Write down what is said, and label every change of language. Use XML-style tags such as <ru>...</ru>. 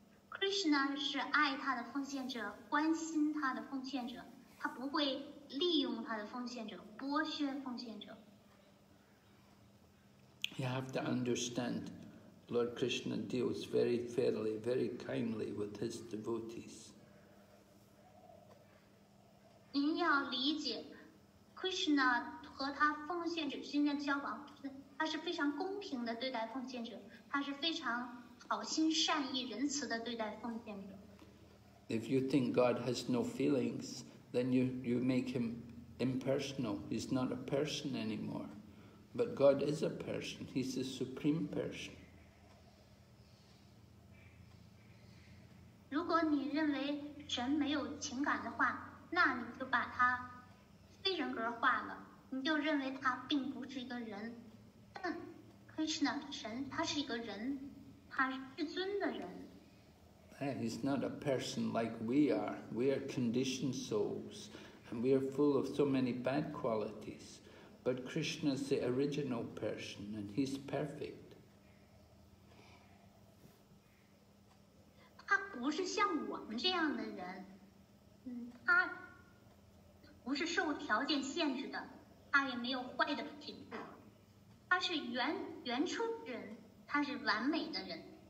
<zh>Krishna 是爱他的奉献者，关心他的奉献者，他不会利用他的奉献者，剥削奉献者。</zh> <en>You have to understand. Lord Krishna deals very fairly, very kindly with his devotees.</en> <zh>您要理解 ，Krishna 和他奉献者之间的交往，他是非常公平的对待奉献者，他是非常好心、善意、仁慈的对待奉献者。</zh> <en>If you think God has no feelings, then you make him impersonal. He's not a person anymore. But God is a person. He's the supreme person.</en> <zh>如果你认为神没有情感的话，那你就把他非人格化了，你就认为他并不是一个人。但 Krishna 神他是一个人，他是至尊的人。</zh> <en>Hey, he's not a person like we are. We are conditioned souls, and we are full of so many bad qualities. But Krishna is the original person, and he's perfect.</en> <zh>不是像我们这样的人，他不是受条件限制的，他也没有坏的品质，他是原初人，他是完美的人。</zh>